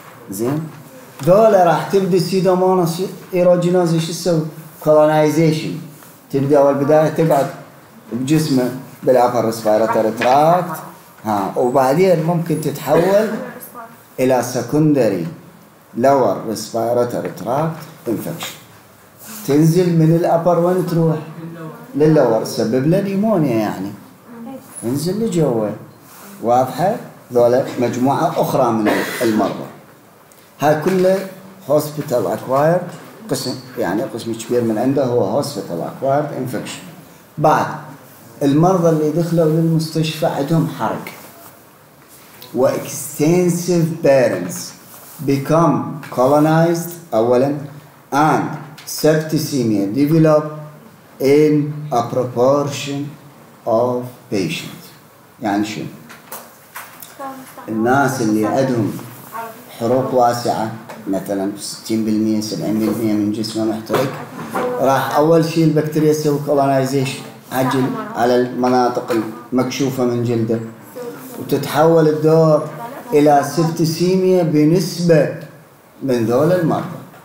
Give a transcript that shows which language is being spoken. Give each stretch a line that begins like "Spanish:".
Arabic: زين دول راح تبدي سيدوموناس ايروجينوز ايش تسوي؟ colonization، تبدأ أول بداية تقعد بجسمه بالأفر respiratory tract، ها وبعدين ممكن تتحول إلى secondary lower respiratory tract infection، تنزل من الأفر وين تروح؟ للور، سبب له نيمونيا يعني، تنزل لجوة. واضحة؟ ذولا مجموعة أخرى من المرضى، هاي كله hospital acquired، قسم يعني قسم كبير من عنده هو hospital acquired infection. بعد المرضى اللي دخلوا للمستشفى عندهم حرق و
English: extensive burns become colonized أولا and septicemia develop in a proportion of patients.
Arabic: يعني شو؟ الناس اللي عندهم حروق واسعة مثلا 60% 70% من جسمه محترق، راح اول شيء البكتيريا تسوي كولونايزيشن عجل على المناطق المكشوفه من جلده، وتتحول الدور الى سبتسيميا بنسبه من ذول المرضى.